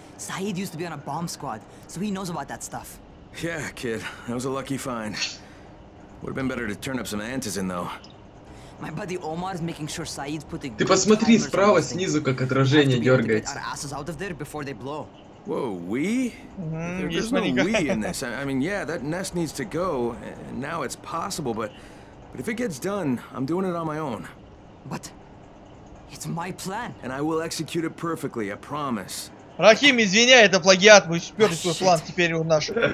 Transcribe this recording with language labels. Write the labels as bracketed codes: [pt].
[en] Saeed used to be on a bomb squad, so he knows about that stuff. Yeah, kid, that was a lucky find. Would have been better to turn up some antizin, though. My buddy Omar is making sure Saeed put the. [ru] Ты посмотри справа снизу, как отражение дергается. [en] Whoa, we? There's no we in this. I mean, yeah, that nest needs to go. Now it's possible, but if it gets done, I'm doing it on my own. But. It's my plan. And I will execute it perfectly, I promise. [ru] Рахим, извиняй, это плагиат, мы сперли твой план, теперь он наш.